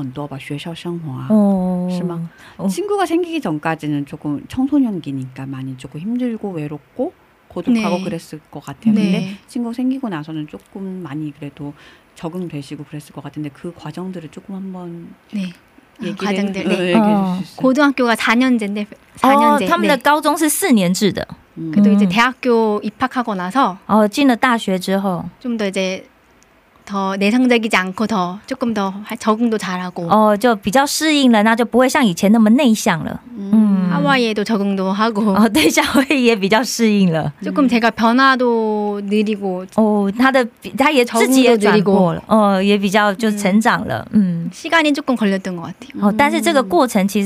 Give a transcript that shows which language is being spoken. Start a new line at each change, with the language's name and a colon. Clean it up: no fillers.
Chinese: 对，那个时候情绪不太稳定啊，然后有点敏感嘛，很敏感，对对对，所以那个时候朋友是非常重要的一个辅助的，对，非常需要，非常需要朋友，对，可是刚到的时候应该没有朋友，是不是？所以可是有了朋友之后应该好了很多吧，学校生活啊，是吗？
Korean: 친구가 생기기 전까지는 조금 청소년기니까 많이 조금 힘들고 외롭고 고독하고 네. 그랬을 것 같아요. 네. 근데 친구 생기고 나서는 조금 많이 그래도 적응되시고 그랬을 것 같은데 그 과정들을 조금 한번 네. 과정들 네. 고등학교가 4년제인데
Chinese: 他们的高中是4年制的.
Korean: 그래도 이제 대학교 입학하고 나서
Chinese: 进了大学之后
Korean: 좀 더 이제 더 내성적이지 않고 더 조금 더 적응도 잘하고
Chinese: 就比较适应了，那就不会像以前那么内向了。嗯，
Korean: 하와이에도 적응도 하고
Chinese: 对，夏威夷也比较适应了。
Korean: 조금 제가 변화도 느리고
Chinese: 他也自己也过了，也比较就成长了。嗯，
Korean: 시간이 조금 걸렸던 것 같아요.